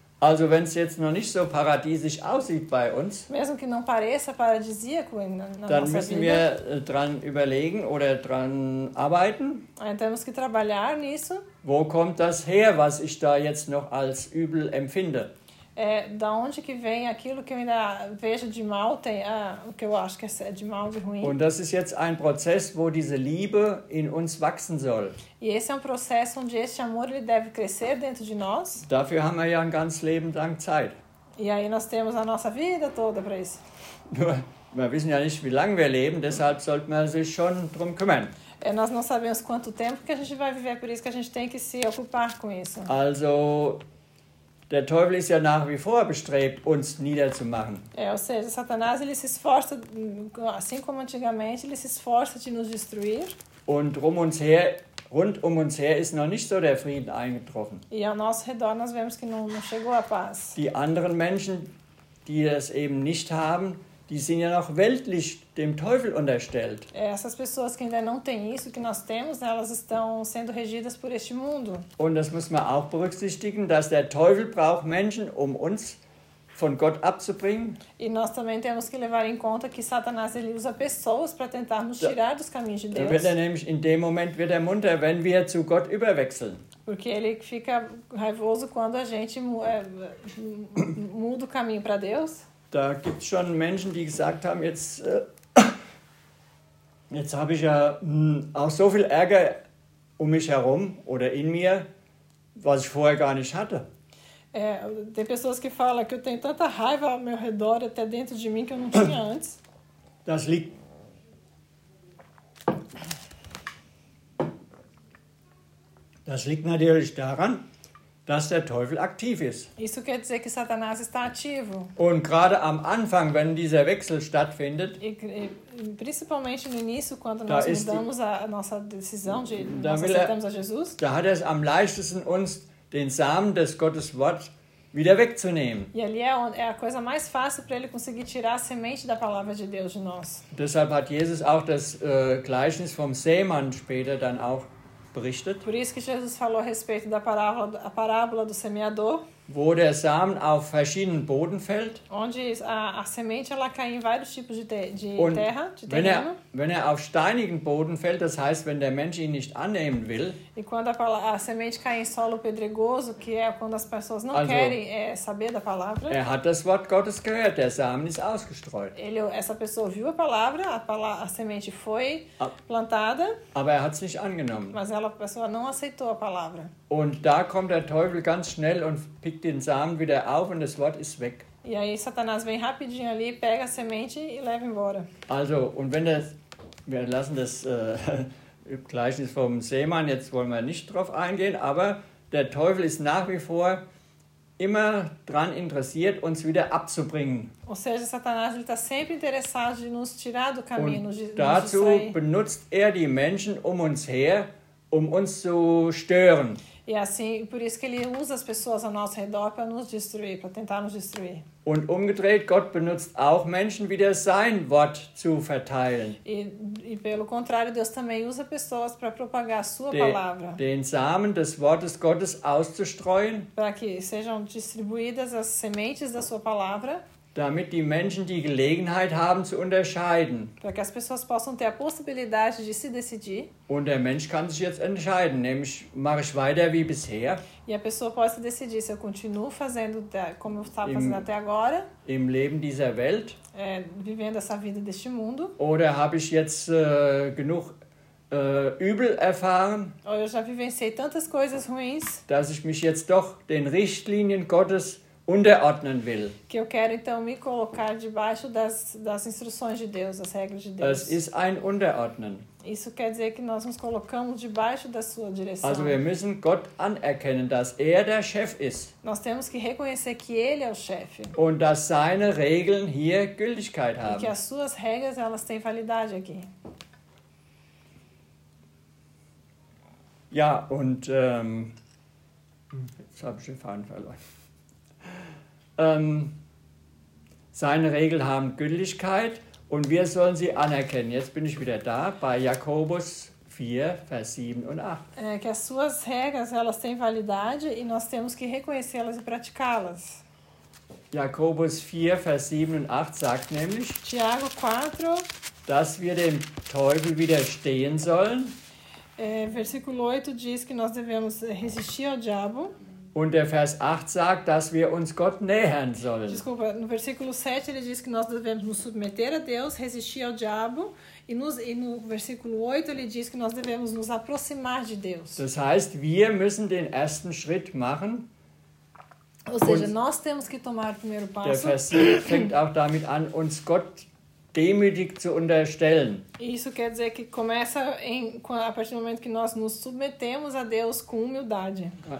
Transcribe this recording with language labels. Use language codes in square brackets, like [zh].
[de] Also wenn es jetzt noch nicht so paradiesisch aussieht bei uns, [pt] mesmo que não pareça paradisíaco na nossa vida, [de] dann müssen wir dran überlegen oder dran arbeiten. [pt] Temos que trabalhar nisso. [de] Wo kommt das her, was ich da jetzt noch als übel empfinde? [pt] Da onde que vem aquilo que eu ainda vejo de mal, o que eu acho que é de mal, de ruim. [de] Und das ist jetzt ein Prozess, wo diese Liebe in uns wachsen soll. [pt] E esse é um processo onde esse amor ele deve crescer dentro de nós. [de] Dafür haben wir ja ein ganz Leben lang Zeit. [pt] E aí nós temos a nossa vida toda para isso. [de] Wir wissen ja nicht, wie lange wir leben, deshalb sollte man sich schon drum kümmern. [pt] Nós não sabemos quanto tempo que a gente vai viver, por isso que a gente tem que se ocupar com isso. [de] Also, der Teufel ist ja nach wie vor bestrebt, uns niederzumachen. [pt] É, ou seja, Satanás ele se esforça, assim como antigamente, ele se esforça de nos destruir. [de] Und rund um uns her ist noch nicht so der Frieden eingetroffen. [pt] E ao nosso redor nós vemos que não chegou a paz. [de] Die anderen Menschen, die das eben nicht haben, die sind ja noch weltlich dem Teufel unterstellt. [pt] É, essas pessoas que ainda não têm isso que nós temos, né, elas estão sendo regidas por este mundo. [de] Und das muss man auch berücksichtigen, dass der Teufel braucht Menschen, um uns von Gott abzubringen. [pt] E nós também temos que levar em conta que Satanás ele usa pessoas para tentar nos tirar dos caminhos de Deus. [de] Dann wird er nämlich in dem Moment wird er munter, wenn wir zu Gott überwechseln. [pt] Porque ele fica raivoso quando a gente muda o caminho para Deus. [de] Da gibt es schon Menschen, die gesagt haben, jetzt habe ich ja auch so viel Ärger um mich herum oder in mir, was ich vorher gar nicht hatte. [pt] É, tem pessoas que falam que eu tenho tanta raiva ao meu redor, até dentro de mim, que eu não tinha antes. [de] Das liegt... Das liegt natürlich daran, dass der Teufel aktiv ist. [pt] Isso quer dizer que Satanás está ativo. [de] Und gerade am Anfang, wenn dieser Wechsel stattfindet, [pt] principalmente no início, quando nós mudamos a nossa decisão de aceitarmos a Jesus, [de] da hat es am leichtesten uns den Samen des Gotteswort wieder wegzunehmen. [pt] E ali é a coisa mais fácil para ele conseguir tirar a semente da palavra de Deus de nós. [de] Deshalb hat Jesus auch das Gleichnis vom Sämann später dann auch berichtet. [pt] Por isso que Jesus falou a respeito da parábola, a parábola do semeador. [de] Wo der Samen auf verschiedenen Boden fällt. [pt] Onde a semente ela cai em vários tipos de terra, de terreno. [de] Wenn er auf steinigen Boden fällt, das heißt, wenn der Mensch ihn nicht annehmen will. [pt] E quando a semente cai em solo pedregoso, que é quando as pessoas não querem saber da palavra. [de] Er hat das Wort Gottes gehört, der Samen ist ausgestreut. [pt] Essa pessoa viu a palavra, a semente foi plantada. [de] Aber er hat es nicht angenommen. [pt] Mas a pessoa não aceitou a palavra. [de] Und da kommt der Teufel ganz schnell und pickt den Samen wieder auf und das Wort ist weg. [pt] E aí Satanás vem rapidinho ali, pega a semente e leva embora. [de] Also, und wenn das, wir lassen das Gleichnis vom Seemann, jetzt wollen wir nicht drauf eingehen, aber der Teufel ist nach wie vor immer dran interessiert, uns wieder abzubringen. [pt] Ou seja, Satanás ele tá sempre interessado de nos tirar do caminho, [de] und [pt] de [de] dazu [pt] nos sair. [de] Benutzt er die Menschen um uns her, um uns zu stören. [pt] E assim, por isso que ele usa as pessoas ao nosso redor para nos destruir, para tentar nos destruir. [de] Und umgedreht, Gott benutzt auch Menschen, wieder sein Wort zu verteilen. [pt] E pelo contrário, Deus também usa pessoas para propagar a sua palavra. [de] Den Samen des Wortes Gottes auszustreuen. [pt] Para que sejam distribuídas as sementes da sua palavra. [de] Damit die Menschen die Gelegenheit haben zu unterscheiden. [pt] Para que as pessoas possam ter a possibilidade de se decidir. [de] Und der Mensch kann sich jetzt entscheiden, nämlich mache ich weiter wie bisher. [pt] E a pessoa pode decidir se eu continuo fazendo como eu estava fazendo até agora. [de] Im Leben dieser Welt. [pt] Vivendo essa vida deste mundo. [de] Oder habe ich jetzt genug übel erfahren? [pt] Ou eu já vivenciei tantas coisas ruins. [de] Dass ich mich jetzt doch den Richtlinien Gottes unterordnen will. [pt] Que eu quero então me colocar debaixo das instruções de Deus, das regras de Deus. [de] Das ist ein Unterordnen. [pt] Isso quer dizer que nós nos colocamos debaixo da sua direção. [de] Also wir müssen Gott anerkennen, dass er der Chef ist. [pt] Nós temos que reconhecer que ele é o chefe. [de] Und dass seine Regeln hier Gültigkeit haben. [pt] E que as suas regras elas têm validade aqui. [de] Ja, und jetzt habe ich den Faden verloren. Seine Regeln haben Gültigkeit und wir sollen sie anerkennen. Jetzt bin ich wieder da bei Jakobus 4, Vers 7 und 8. [pt] Que as suas regras, elas têm validade e nós temos que reconhecê-las e praticá-las. [de] Jakobus 4, Vers 7 und 8 sagt nämlich, [pt] Tiago 4, [de] dass wir dem Teufel widerstehen sollen. [pt] Versículo 8 diz que nós devemos resistir ao diabo. [de] Und der Vers 8 sagt, dass wir uns Gott nähern sollen. [pt] Desculpa, no versículo 7 ele diz que nós devemos nos submeter a Deus, resistir ao diabo. E no versículo 8 ele diz que nós devemos nos aproximar de Deus. [de] Das heißt, wir müssen den ersten Schritt machen. [pt] Ou seja, nós temos que tomar o primeiro passo. [de] Der Vers 7 fängt auch damit an, uns Gott demütig zu unterstellen. [pt] Isso quer dizer que começa a partir do momento que nós nos submetemos a Deus com humildade.